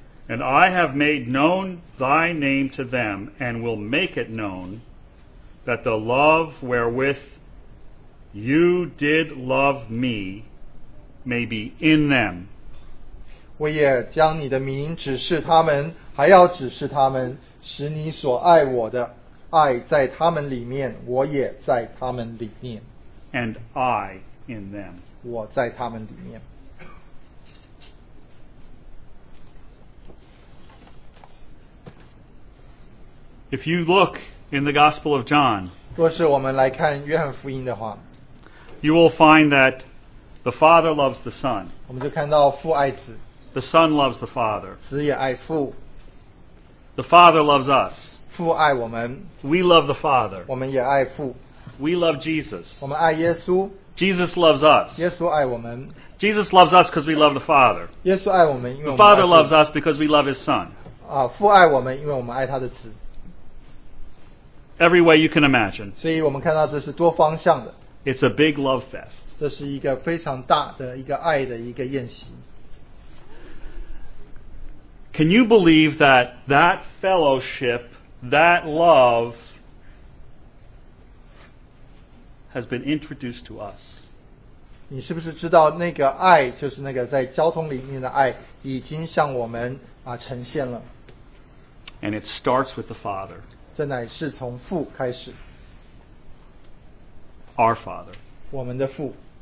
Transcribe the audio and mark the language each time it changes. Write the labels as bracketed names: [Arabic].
[English] And I have made known thy name to them, and will make it known, that the love wherewith you did love me may be in them. [Chinese] 我也将你的名指示他们，还要指示他们，使你所爱我的爱在他们里面，我也在他们里面。 [English] And I in them. [Chinese] 我在他们里面。 [English] If you look in the Gospel of John, you will find that the Father loves the Son. [Chinese] 我们就看到父爱子。 [English] The Son loves the Father. [Chinese] 子也爱父. [English] The Father loves us. [Chinese] 父爱我们. [English] We love the Father. [Chinese] 我们也爱父. [English] We love Jesus. [Chinese] 我们爱耶稣. [English] Jesus loves us. [Chinese] 耶稣爱我们. [English] Jesus loves us because we love the Father. [Chinese] 耶稣爱我们, [English] the Father loves us because we love His Son. [Chinese] 父爱我们因为我们爱他的子. [English] Every way you can imagine. [Chinese] 所以我们看到这是多方向的. [English] It's a big love fest. [Chinese] 这是一个非常大的一个爱的一个宴席. [English] Can you believe that that fellowship, that love, has been introduced to us? [Chinese] 你是不是知道那个爱, 就是那个在交通里面的爱已经向我们, 呈现了? [English] And it starts with the Father. [Chinese] 这乃是从父开始。 [English] Our Father. [Chinese] 我们的父。